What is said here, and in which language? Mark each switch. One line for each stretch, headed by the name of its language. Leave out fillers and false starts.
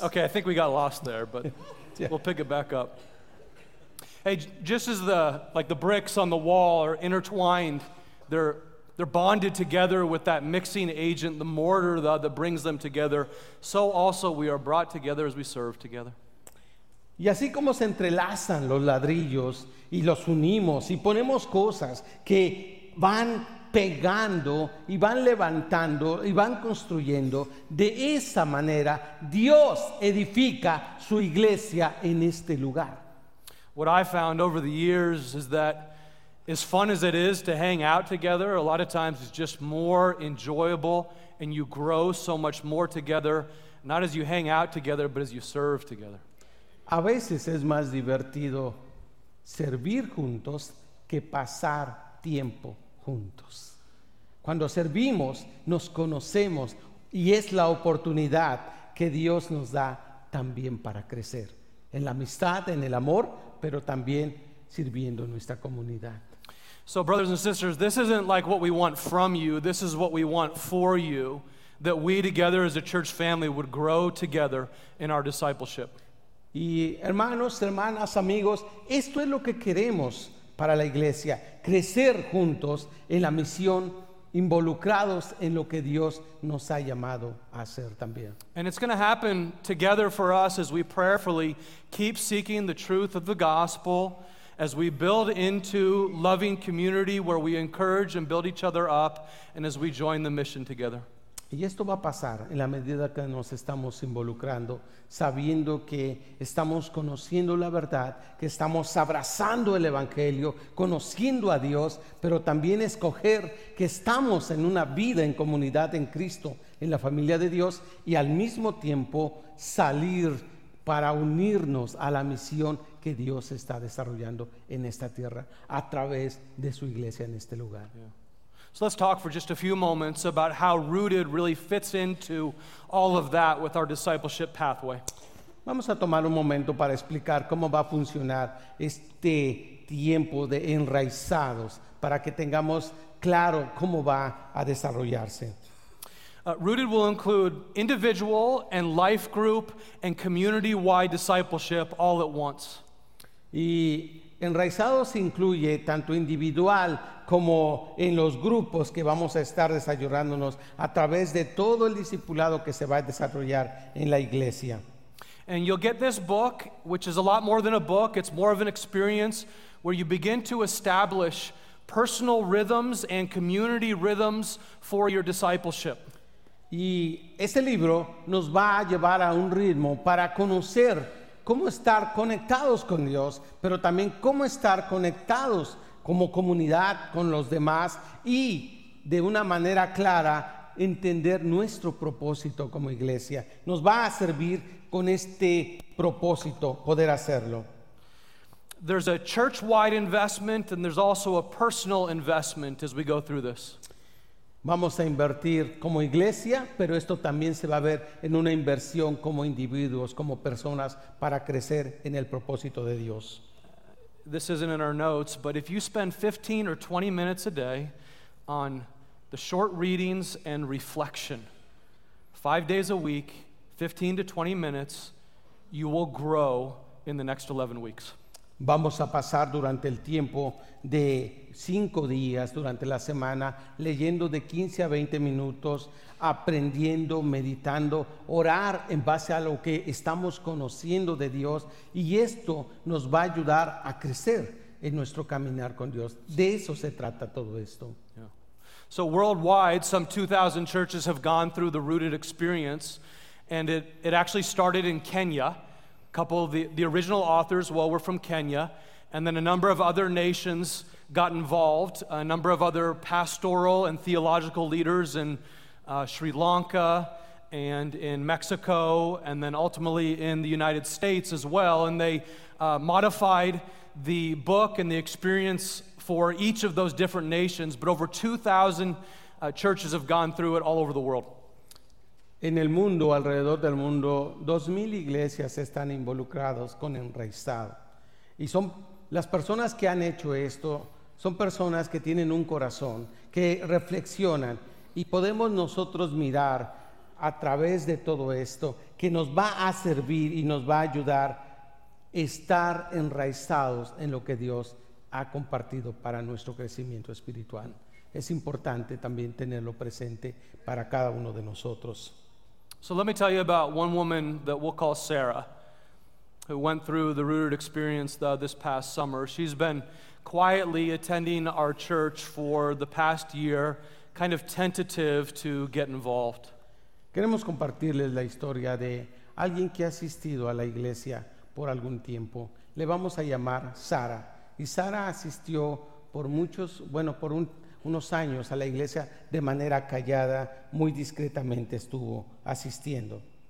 English: Okay, I think we got lost there, but yeah, we'll pick it back up. Hey, just as the bricks on the wall are intertwined, they're bonded together with that mixing agent, the mortar that brings them together, so also we are brought together as we serve together.
Spanish: Y así como se entrelazan los ladrillos y los unimos y ponemos cosas que van pegando y van levantando y van construyendo, de esa manera Dios edifica su iglesia en este lugar.
English: What I found over the years is that as fun as it is to hang out together, a lot of times it's just more enjoyable and you grow so much more together Not as you hang out together, but as you serve together.
Spanish: A veces es más divertido servir juntos que pasar tiempo juntos. Cuando servimos, nos conocemos y es la oportunidad que Dios nos da también para crecer. En la amistad, en el amor, pero también sirviendo nuestra comunidad.
English: So brothers and sisters, this isn't like what we want from you, this is what we want for you, that we together as a church family would grow together in our discipleship.
Spanish: Y hermanos, hermanas, amigos, esto es lo que queremos para la iglesia, crecer juntos en la misión, involucrados en lo que Dios nos ha llamado a hacer también.
English: And it's going to happen together for us as we prayerfully keep seeking the truth of the gospel, as we build into loving community where we encourage and build each other up, and as we join the mission together.
Spanish: Y esto va a pasar en la medida que nos estamos involucrando, sabiendo que estamos conociendo la verdad, que estamos abrazando el Evangelio, conociendo a Dios, pero también escoger que estamos en una vida en comunidad en Cristo, en la familia de Dios, y al mismo tiempo salir para unirnos a la misión que Dios está desarrollando en esta tierra a través de su iglesia en este lugar.
English: Yeah. So let's talk for just a few moments about how Rooted really fits into all of that with our discipleship pathway.
Spanish: Vamos a tomar un momento para explicar cómo va a funcionar este tiempo de enraizados para que tengamos claro cómo va a desarrollarse.
English: Rooted will include individual and life group and community-wide discipleship all at once.
Spanish: Y enraizados incluye tanto individual como en los grupos que vamos a estar desarrollándonos a través de todo el discipulado que se va a desarrollar en la iglesia.
English: And you'll get this book, which is a lot more than a book, it's more of an experience where you begin to establish personal rhythms and community rhythms for your discipleship.
Spanish: Y este libro nos va a llevar a un ritmo para conocer cómo estar conectados con Dios, pero también cómo estar conectados como comunidad con los demás y de una manera clara entender nuestro propósito como iglesia. Nos va a servir con este propósito poder hacerlo.
English: There's a church-wide investment and there's also a personal investment as we go through this.
Spanish: Vamos a invertir como iglesia, pero esto también se va a ver en una inversión como individuos, como personas, para crecer en el propósito de Dios.
English: This isn't in our notes, but if you spend 15 or 20 minutes a day on the short readings and reflection, 5 days a week, 15 to 20 minutes, you will grow in the next 11 weeks.
Spanish: Vamos a pasar durante el tiempo de 5 días durante la semana leyendo de 15 a 20 minutos, aprendiendo, meditando, orar en base a lo que estamos conociendo de Dios, y esto nos va a ayudar a crecer en nuestro caminar con Dios. De eso se trata todo esto.
English: Yeah. So worldwide, some 2,000 churches have gone through the Rooted experience, and it actually started in Kenya. Couple of the original authors, well, were from Kenya, and then a number of other nations got involved, a number of other pastoral and theological leaders in Sri Lanka and in Mexico, and then ultimately in the United States as well, and they modified the book and the experience for each of those different nations, but over 2,000 churches have gone through it all over the world.
Spanish: En el mundo, alrededor del mundo, 2,000 iglesias están involucradas con Enraizado. Y son las personas que han hecho esto, son personas que tienen un corazón, que reflexionan. Y podemos nosotros mirar a través de todo esto, que nos va a servir y nos va a ayudar a estar enraizados en lo que Dios ha compartido para nuestro crecimiento espiritual. Es importante también tenerlo presente para cada uno de nosotros.
English: So let me tell you about one woman that we'll call Sarah, who went through the Rooted experience this past summer. She's been quietly attending our church for the past year, kind of tentative to get involved.
Spanish: Queremos compartirles la historia de alguien que ha asistido a la iglesia por algún tiempo. Le vamos a llamar Sara. Y Sara asistió por muchos, bueno, por unos años a la iglesia de manera callada, muy discretamente estuvo asistiendo.